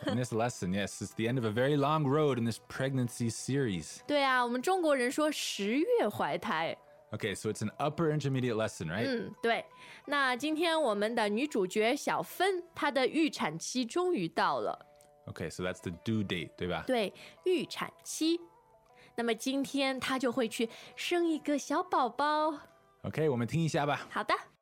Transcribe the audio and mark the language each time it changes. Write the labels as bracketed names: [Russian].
[English] In this lesson, yes, it's the end of a very long road in this pregnancy series. [Chinese] 对啊，我们中国人说十月怀胎。 [English] Okay, so it's an upper intermediate lesson, right? [Chinese] 对。那今天我们的女主角小芬，她的预产期终于到了。 [English] Okay, so that's the due date, [Chinese] 对吧？对，预产期。那么今天她就会去生一个小宝宝。 [English] OK, [Chinese] 我们听一下吧。好的。